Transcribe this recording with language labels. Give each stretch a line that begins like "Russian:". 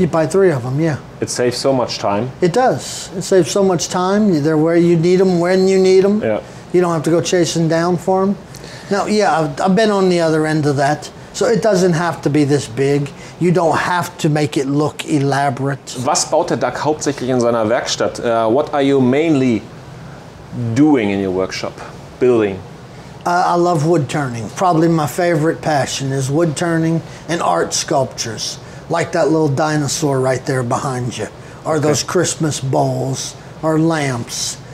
English: You buy three of them, yeah. It saves so much time. It does. It saves so much time. They're where you need them, when you need them. Yeah. You don't have to go chasing down for them. Now, yeah, I've been on the other end of that. So it doesn't have to be this big. You don't have to make it look elaborate.
German: Was baut der Doug hauptsächlich in seiner Werkstatt?
English: What are you mainly doing in your workshop? Building? I love wood turning. Probably my favorite passion is wood turning and art sculptures. Like that little dinosaur right there behind you. Or those Christmas bowls or lamps.